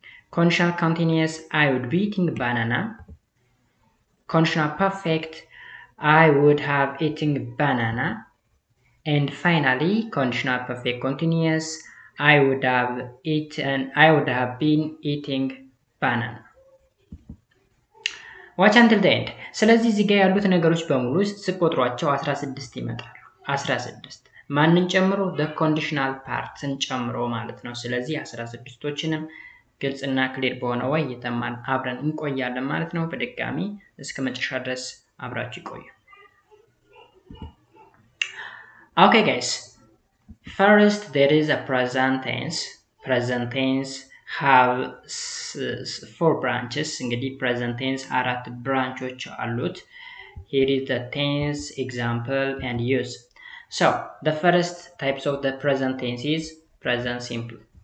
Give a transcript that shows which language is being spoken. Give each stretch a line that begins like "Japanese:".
English: Conditional continuous, I would be eating banana. Conditional perfect, I would have eaten banana. And finally, conditional perfect continuous, I would have been eating banana. Watch until the end.
Amharic: ስለዚህ እዚህ ጋር ያሉት ነገሮች በሙሉ ስትቆጥሯቸው 16 ይመጣሉ። 16 ማንን ጨምሮ the conditional partን ጨምሮ ማለት ነው። ስለዚህ 16ቶችንም ግልጽና ክሊር በሆነ ወይ የተማን አብረን እንቆያለን ማለት ነው። በድጋሚ እስከ መጨረሻ ድረስ አብራችሁ ይቆዩ።
English: Okay guys. First, there is a present tense. Present tense have four branches.
Amharic: እንግዲህ present tense አራት ብራንቾች አሉት.
English: Here is the tense example and use. So, the first types of the present tense is present simple.